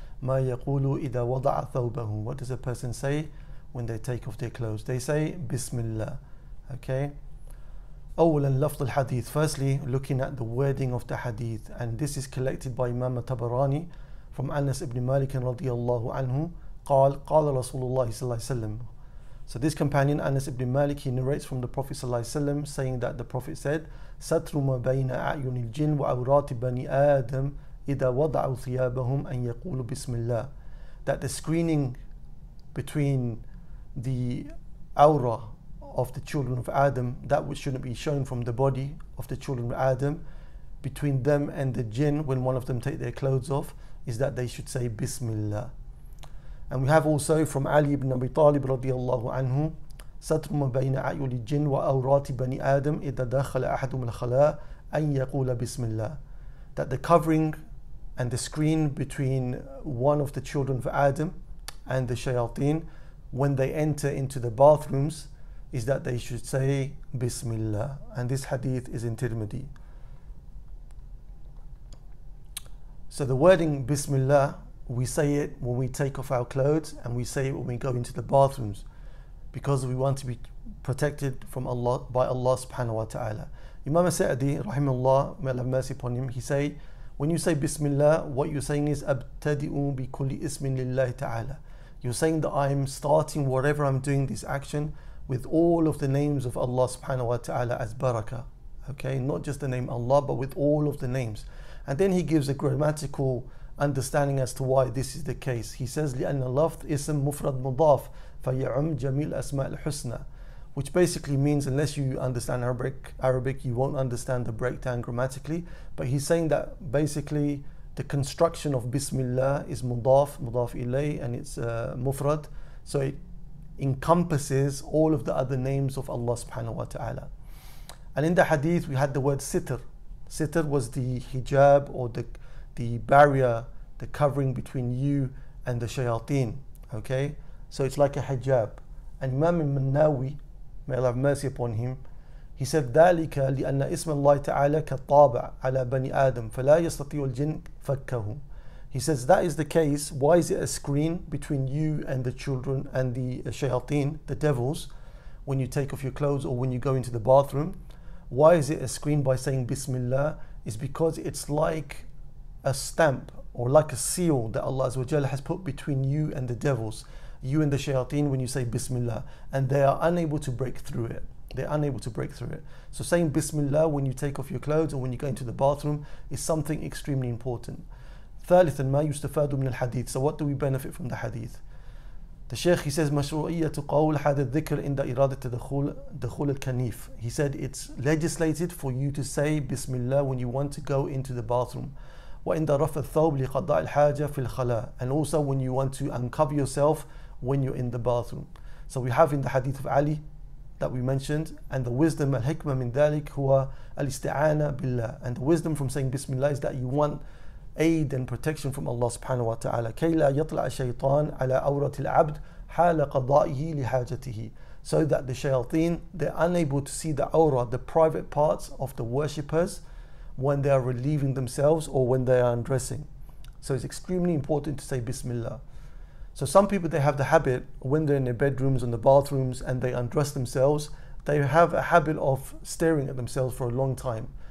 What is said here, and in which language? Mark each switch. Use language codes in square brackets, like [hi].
[ar] Ma yaqulu idha wada'a thawbahu. [en] What does a person say when they take off their clothes? They say, Bismillah. Okay? [ar] أولاً لفظ الحديث. [en] Firstly, looking at the wording of the hadith, and this is collected by Imam Tabarani from Anas ibn Malik [ar] رضي الله عنه. قال رسول الله صلى الله عليه وسلم. [en] So this companion Anas ibn Malik, he narrates from the Prophet صلى الله عليه وسلم, saying that the Prophet said, [ar] ستر ما بين أعين الجن وأورات بني آدم إذا وضعوا ثيابهم أن يقولوا بسم الله. [en] That the screening between the aura of the children of Adam, that which shouldn't be shown from the body of the children of Adam, between them and the jinn, when one of them take their clothes off, is that they should say Bismillah. And we have also from Ali ibn Abi Talib radiallahu anhu, [ar] ستر ما بين عيون الجن وأورات بني آدم إذا دخل أحدهم الخلاء أن يقول بسم الله. [en] That the covering and the screen between one of the children of Adam and the shayateen, when they enter into the bathrooms, is that they should say Bismillah. And this hadith is in Tirmidhi. So the wording Bismillah, we say it when we take off our clothes and we say it when we go into the bathrooms, because we want to be protected from Allah, by Allah subhanahu wa ta'ala. Imam Sa'di, rahimahullah, may Allah have mercy upon him, he say, when you say Bismillah, what you're saying is [ar] abtadi'u bi kulli ismin lillahi ta'ala. [en] You're saying that I'm starting whatever I'm doing, this action, with all of the names of Allah subhanahu wa ta'ala as barakah. Okay, not just the name Allah, but with all of the names. And then he gives a grammatical understanding as to why this is the case. He says, [ar] لِأَنَّ لَفْظ إِسْمْ مُفْرَدْ مُضَافْ فَيَعُمْ جَمِيلْ أَسْمَاءِ الْحُسْنَى. [en] Which basically means, unless you understand Arabic, you won't understand the breakdown grammatically. But he's saying that basically the construction of Bismillah is مُضَافْ, مُضَافْ إِلَيْهِ, and it's مُفْرَدْ. So it encompasses all of the other names of Allah subhanahu wa ta'ala. And in the hadith we had the word sitr. Sitr was the hijab, or the barrier, the covering between you and the shayateen. Okay, so it's like a hijab. And Imam al-Mannawi, may Allah have mercy upon him, he said, [ar] ذَلِكَ لِأَنَّ إِسْمَ اللَّهِ تَعَالَى كَالطَّابَعَ عَلَى بَنِي آدَمَ فَلَا يَسْتَطِيعُ الْجِنِّ فَكَّهُمْ. [en] He says, that is the case. Why is it a screen between you and the children and the shayateen, the devils, when you take off your clothes or when you go into the bathroom? Why is it a screen by saying Bismillah? It's because it's like a stamp or like a seal that Allah has put between you and the devils, you and the shayateen, when you say Bismillah. And they are unable to break through it. They're unable to break through it. So saying Bismillah when you take off your clothes or when you go into the bathroom is something extremely important. [ar] ثالثا ما يستفاد من الحديث. [en] So what do we benefit from the hadith? The Sheikh, he says, [ar] مشروعية قول هذا الذكر عند إرادة دخول الكنيف. [en] He said, it's legislated for you to say Bismillah when you want to go into the bathroom. [ar] وعند رفع الثوب لقضاء الحاجة في الخلاء. [en] And also when you want to uncover yourself when you're in the bathroom. So we have in the hadith of Ali that we mentioned, and the wisdom, [ar] الحكمة من ذلك هو الاستعانة بالله. [en] And the wisdom from saying Bismillah is that you want aid and protection from Allah subhanahu wa ta'ala. [ar] كي لا يطلع الشيطان على عورة العبد حال قضائه لحاجته. [en] So that the shayateen, they're unable to see the aura, the private parts of the worshippers, when they are relieving themselves or when they are undressing. So it's extremely important to say Bismillah. So some people, they have the habit when they're in their bedrooms and the bathrooms and they undress themselves, they have a habit of staring at themselves for a long time.